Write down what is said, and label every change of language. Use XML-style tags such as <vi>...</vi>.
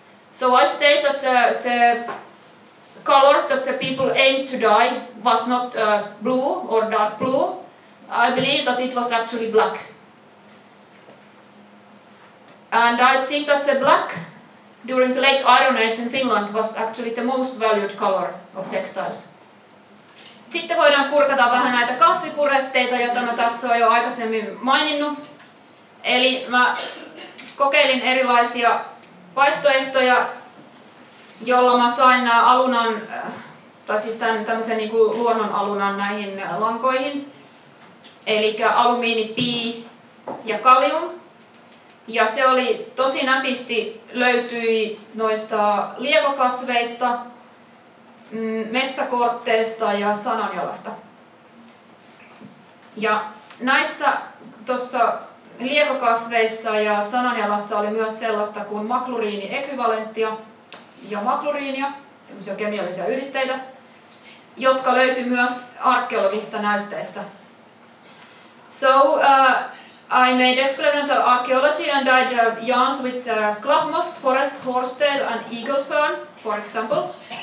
<en>So I state that the color that the people aimed to dye was not blue or dark blue. I believe that it was actually black. And I think that the black during the late Iron Age in Finland was actually the most valued color of textiles.</en> <fi>Sitten voidaan kurkata vähän näitä kasvipuretteita, joita mä tässä olen jo aikaisemmin maininnut. Eli mä kokeilin erilaisia vaihtoehtoja, jolla mä sain nämä alunan, tai siis tämmöisen niin kuin luonnon alunan näihin lankoihin. Eli alumiini, pi ja kalium. Ja se oli tosi nätisti, löytyi noista liekokasveista, metsäkortteesta ja sananjalasta. Ja näissä tuossa liekokasveissa ja sananjalassa oli myös sellaista kuin makluriini-ekvivalenttia ja makluriinia, tämmöisiä kemiallisia yhdisteitä, jotka löytyi myös arkeologisista näytteistä.</fi> <en>So I made experimental archaeology and I dyed yarns with club moss, forest horsetail and eagle fern, for example.</en>